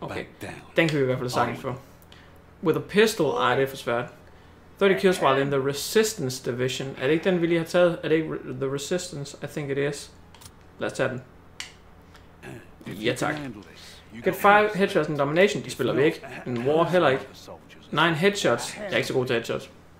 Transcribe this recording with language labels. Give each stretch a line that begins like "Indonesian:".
Danish: Okay, den kan vi i hvert fald sagtens for.
English: With a pistol?
Danish: Ej, det er for svært.
English: 30 kills while in the resistance division.
Danish: Er det ikke den, vi lige har taget? Er det ikke the resistance?
English: I think it is.
Danish: Lad os tage den. Ja, tak.
English: Get 5 headshots in domination.
Danish: De spiller vi ikke.
English: In war
Danish: heller ikke.
English: 9 headshots.
Danish: Jeg er ikke så god til headshots.